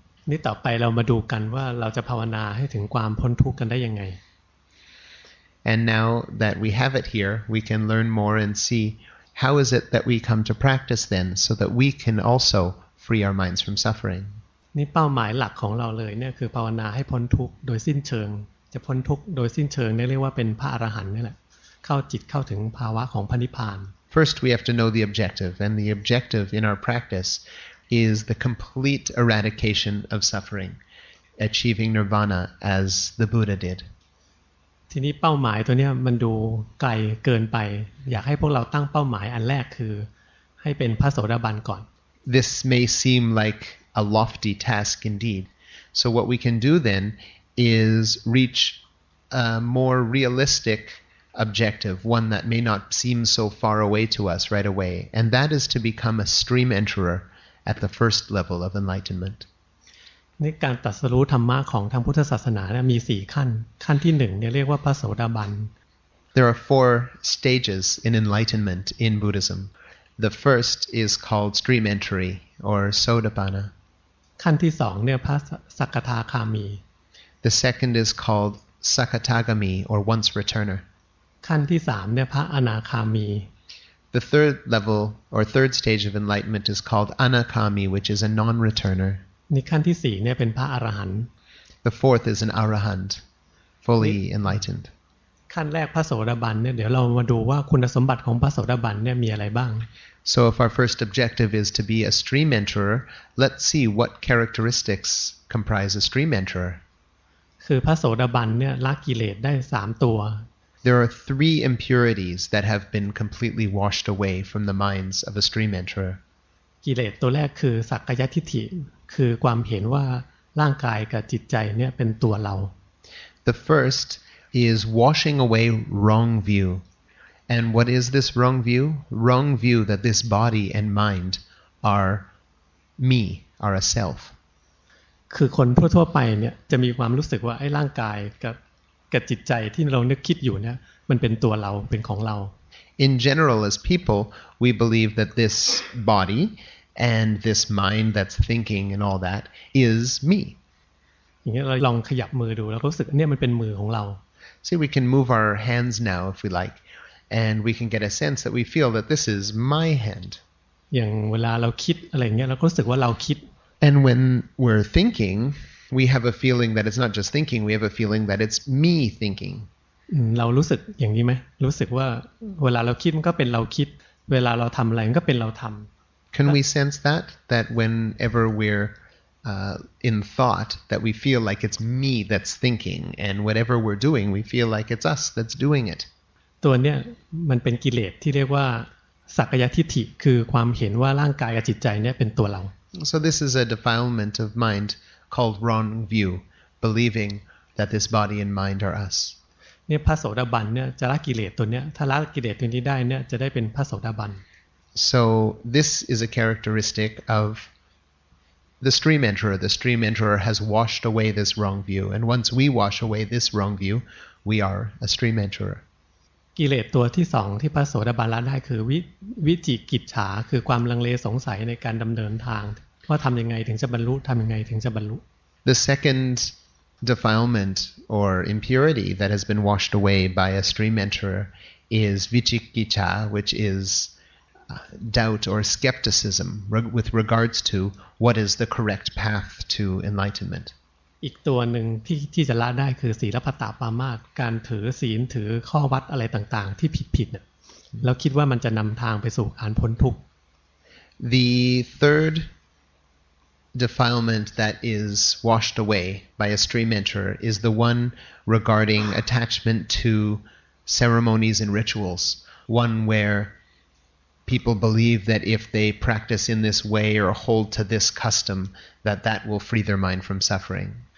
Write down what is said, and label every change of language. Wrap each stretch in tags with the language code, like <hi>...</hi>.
<th>นี่ต่อไปเรามาดูกันว่าเราจะภาวนาให้ถึงความพ้นทุกข์กันได้ยังไง</th> <en>And now that we have it here, we can learn more and see how is it that we come to practice then, so that we can also free our minds from suffering.</en> <th>นี่เป้าหมายหลักของเราเลยเนี่ยคือภาวนาให้พ้นทุกข์โดยสิ้นเชิงจะพ้นทุกข์โดยสิ้นเชิงเรียกว่าเป็นพระอรหันต์นี่แหละเข้าจิตเข้าถึงภาวะของพระนิพพาน</th> <en>First we have to know the objective and the objective in our practice is the complete eradication of suffering achieving nirvana as the Buddha did</en> <th>ทีนี้เป้าหมายตัวเนี้ยมันดูไกลเกินไปอยากให้พวกเราตั้งเป้าหมายอันแรกคือให้เป็นพระโสดาบันก่อน</th> <en>This may seem likeA lofty task indeed. So what we can do then is reach a more realistic objective, one that may not seem so far away to us right away, and that is to become a stream enterer at the first level of enlightenment.</en> <th>ในการตรัสรู้ธรรมะของทางพุทธศาสนาเนี่ยมี4ขั้นขั้นที่1เนี่ยเรียกว่าพระโสดาบัน</th> <en>There are four stages in enlightenment in Buddhism. The first is called stream entry or sotapanna.</en> <th>ขั้นที่สองเนี่ยพระสักทาคามี</th> <en>The second is called sakatagami or once returner.</en> <th>ขั้นที่สามเนี่ยพระอนาคามี</th> <en>The third level or third stage of enlightenment is called Anakami, which is a non-returner.</en> <th>ในขั้นที่4เนี่ยเป็นพระอรหันต์</th> <en>The fourth is an Arahant, fully enlightened.</en> <th>ขั้นแรกพระโสดาบันเนี่ยเดี๋ยวเรามาดูว่าคุณสมบัติของพระโสดาบันเนี่ยมีอะไรบ้าง</th> <en>So if our first objective is to be a stream enterer, let's see what characteristics comprise a stream enterer.</en> <th>คือพระโสดาบันเนี่ยละกิเลสได้3ตัว</th> <en>There are three impurities that have been completely washed away from the minds of a stream enterer.</en> <th>กิเลสตัวแรกคือสักกายทิฏฐิคือความเห็นว่าร่างกายกับจิตใจเนี่ยเป็นตัวเรา</th> <en>The first is washing away wrong view. And what is this wrong view? Wrong view that this body and mind are me, are a self.</en> <th>คือคนทั่วๆไปเนี่ยจะมีความรู้สึกว่าไอ้ร่างกายกับจิตใจที่เรานึกคิดอยู่เนี่ยมันเป็นตัวเราเป็นของเรา</th> <en>In general as people we believe that this body and this mind that's thinking and all that is me</en> <th>อย่างเงี้ยเราลองขยับมือดูแล้วรู้สึกเนี่ยมันเป็นมือของเรา</th> <en>See we can move our hands now if we like and we can get a sense that we feel that this is my hand</en> <th>อย่างเวลาเราคิดอะไรเงี้ยเรารู้สึกว่าเราคิด</th> <en>And when we're thinkingWe have a feeling that it's not just thinking. We have a feeling that it's me thinking.</en> <th>เรารู้สึกอย่างนี้ไหมรู้สึกว่าเวลาเราคิดมันก็เป็นเราคิดเวลาเราทำอะไรมันก็เป็นเราทำ</th> <en>Can we sense that whenever we're in thought that we feel like it's me that's thinking and whatever we're doing we feel like it's us that's doing it.</en> <th>ตัวเนี้ยมันเป็นกิเลสที่เรียกว่าสักกายทิฏฐิคือความเห็นว่าร่างกายกับจิตใจเนี้ยเป็นตัวเรา</th> <en>So this is a defilement of mind. Called wrong view, believing that this body and mind are us.</en> <th>เนี่ยพระโสดาบันเนี่ยจะละกิเลสตัวเนี้ยถ้าละกิเลสตัวนี้ได้เนี่ยจะได้เป็นพระโสดาบัน</th> <en>So this is a characteristic of the stream enterer. The stream enterer has washed away this wrong view, and once we wash away this wrong view, we are a stream enterer.</en> <th>กิเลสตัวที่สองที่พระโสดาบันละได้คือวิจิกิจฉาคือความลังเลสงสัยในการดำเนินทางว่าทำยังไงถึงจะบรรลุทำยังไงถึงจะบรรลุ</th> <en>The second defilement or impurity that has been washed away by a stream enterer is vichikicca, which is doubt or skepticism with regards to what is the correct path to enlightenment.</en> <th>อีกตัวหนึ่งที่จะละได้คือศีลัพพตาปามาสการถือศีลถือข้อวัดอะไรต่างๆที่ผิดเนี่ยแล้วคิดว่ามันจะนำทางไปสู่การพ้นทุกข์</th> <en>The thirddefilement that is washed away by a stream enterer is the one regarding attachment to ceremonies and rituals one where people believe that if they practice in this way or hold to this custom that will free their mind from suffering</en>